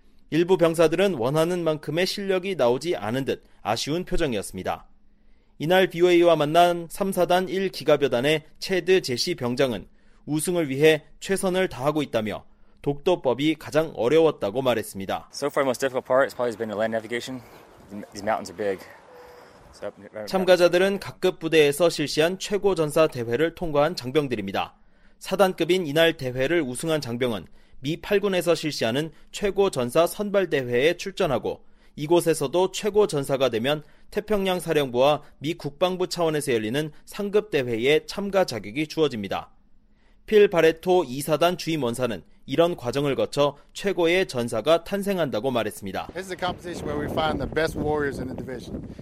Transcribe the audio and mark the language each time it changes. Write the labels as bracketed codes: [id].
[ko] 일부 병사들은 원하는 만큼의 실력이 나오지 않은 듯 아쉬운 표정이었습니다. 이날 BOA와 만난 3사단 1기갑여단의 체드 제시 병장은 우승을 위해 최선을 다하고 있다며 독도법이 가장 어려웠다고 말했습니다. [en] So far, most difficult part has probably been the land navigation. These mountains are big. [ko] 참가자들은 각급 부대에서 실시한 최고 전사 대회를 통과한 장병들입니다. 사단급인 이날 대회를 우승한 장병은 미 8군에서 실시하는 최고 전사 선발 대회에 출전하고 이곳에서도 최고 전사가 되면 태평양 사령부와 미 국방부 차원에서 열리는 상급 대회에 참가 자격이 주어집니다. 필 바레토 2사단 주임 원사는 이런 과정을 거쳐 최고의 전사가 탄생한다고 말했습니다. [en] This is a competition where we find the best warriors in the division.